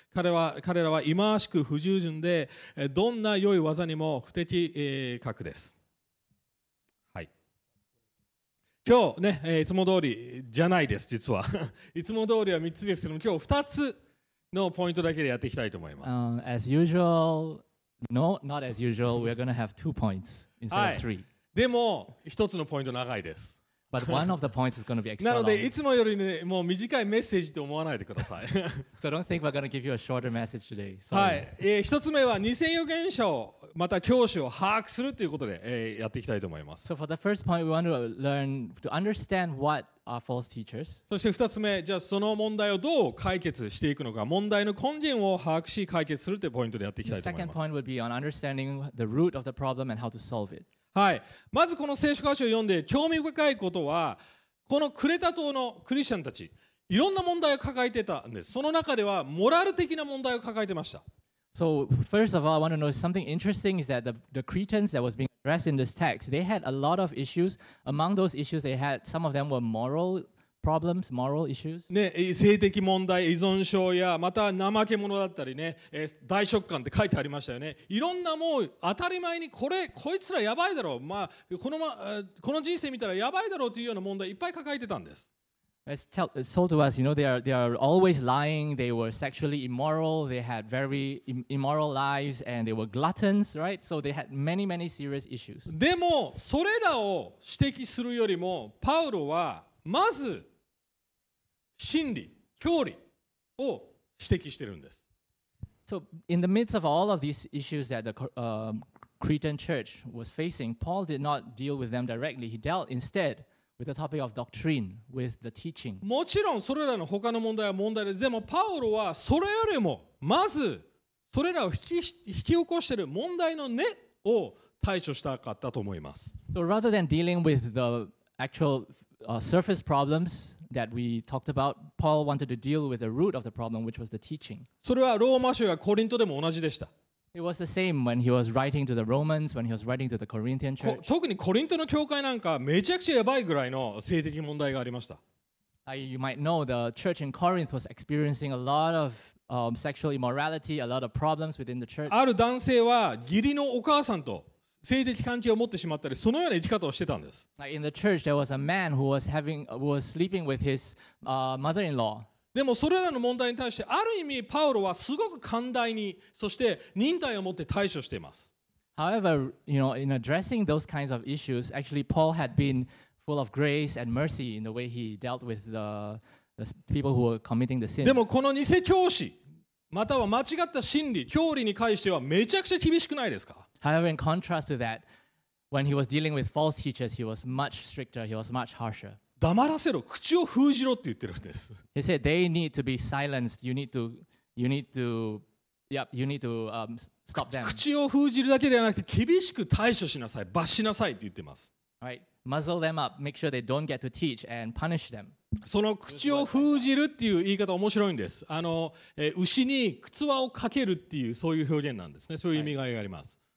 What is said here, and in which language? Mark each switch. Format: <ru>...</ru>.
<ja>彼らは忌まわしく不従順で、どんな良い技にも不適格です。今日ね、いつも通りじゃないです、実は。いつも通りは3つですけども、今日2つ。のポイントだけでやっていきたいと思います。</ja> <en>As usual, no, not as usual. We're gonna have two points instead of three.</en> <ja>でも一つのポイント長いです。</ja> <en>But one of the points is gonna be extra long.</en> <ja>なのでいつもよりね、もう短いメッセージと思わないでください。</ja> <en>So don't think we're gonna give you a shorter message today. Sorry.</en> <ja>はい、一つ目は偽預言者をまた教師を把握するということで、やっていきたいと思います。</ja> <en>So for the first point, we want to learn to understand what are false teachers.</en> <ja>そして二つ目、じゃあその問題をどう解決していくのか、問題の根源を把握し解決するというポイントでやっていきたいと思います。</ja> <en>The second point would be on understanding the root of the problem and how to solve it.</en> <ja>はい、まずこの聖書箇所を読んで興味深いことは、このクレタ島のクリスチャンたち、いろんな問題を抱えてたんです。その中ではモラル的な問題を抱えてました。</ja> <en>So first of all, I want to know something interesting is that the Cretans that was being addressed in this text, they had a lot of issues. Among those issues, they had some of them were moral problems, moral issues.</en> <ja>ね、性的問題、依存症やまた怠け者だったりね、大食漢って書いてありましたよね。いろんなもう当たり前にこれこいつらやばいだろう。まあこの人生見たらやばいだろうというような問題いっぱい抱えてたんです。</ja> <en>It's told to us, you know, they are always lying. They were sexually immoral. They had very immoral lives, and they were gluttons, right? So they had many, many serious issues.</en> <ja>でもそれらを指摘するよりも、パウロはまず真理、教理を指摘してるんです。</ja> <en>So in the midst of all of these issues that the Cretan church was facing, Paul did not deal with them directly. He dealt instead. With the topic of doctrine, with the teaching.</en> <ja>もちろんそれらの他の問題は問題です。でもパウロはそれよりもまずそれらを引き起こしている問題の根を対処したかったと思います。</ja> <en>So rather than dealing with the actual surface problems that we talked about, Paul wanted to deal with the root of the problem, which was the teaching.</en> <ja>それはローマ書やコリントでも同じでした。</ja> <en>It was the same when he was writing to the Romans, when he was writing to the Corinthian church.</en> <ja>特にコリントの教会なんかめちゃくちゃやばいぐらいの性的問題がありました。</ja> <en>You might know the church in Corinth was experiencing a lot of sexual immorality, a lot of problems within the church.</en> <ja>ある男性は義理のお母さんと性的関係を持ってしまったり、そのような生き方をしてたんです。</ja> <en>In the church, there was a man who was sleeping with his mother-in-law.</en> <ja>でもそれらの問題に対してある意味パウロはすごく寛大にそして忍耐を持って対処しています。</ja> <en>However, you know, in addressing those kinds of issues, actually Paul had been full of grace and mercy in the way he dealt with the people who were committing the sins.</en> <ja>でもこの偽教師または間違った真理、教理に関してはめちゃくちゃ厳しくないですか?</ja> <en>However, in contrast to that, when he was dealing with false teachers, he was much stricter, he was much harsher.</en> <ja>黙らせろ、口を封じろって言ってるんです。</ja> <en>He said they need to be silenced. You need to stop them.</en> <ja>口を封じるだけではなくて、厳しく対処しなさい、罰しなさいって言ってます。</ja> <en>Right, muzzle them up. Make sure they don't get to teach and punish them.</en> <ja>その口を封じるっていう言い方面白いんです。牛に靴輪をかけるっていうそういう表現なんですね。そういう意味合いがあります。</ja>